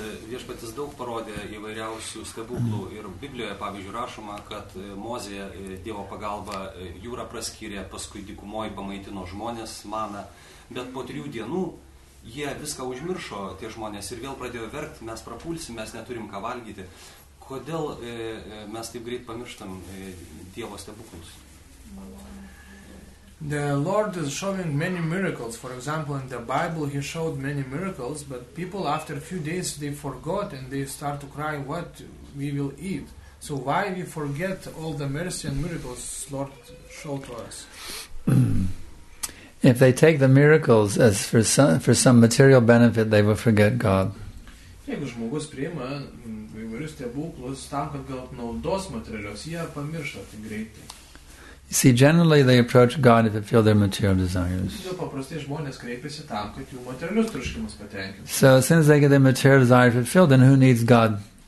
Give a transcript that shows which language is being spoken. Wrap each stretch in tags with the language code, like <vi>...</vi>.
<lt>Viešpatis daug parodė įvairiausių stebuklų ir Biblijoje, pavyzdžiui, rašoma, kad Mozė Dievo pagalba jūrą praskyrė, paskui dykumoj pamaitino žmonės, maną, bet po trijų dienų jie viską užmiršo, tie žmonės, ir vėl pradėjo verkti, mes prapulsim, mes neturim ką valgyti. Kodėl mes taip greit pamirštam Dievo stebuklus?</lt> <en>The Lord is showing many miracles. For example, in the Bible, He showed many miracles, but people, after a few days, they forgot and they start to cry, what we will eat. So why we forget all the mercy and miracles Lord showed to us? If they take the miracles as for some material benefit, they will forget God.</en> <lt>Jeigu žmogus priima įvairius stebuklus tam, kad gautų naudos materialios, jie pamiršta tai greitai.</lt> <en>See, generally they approach God if they feel their material desires. So as soon as they get their material desire fulfilled, then who needs God?</en>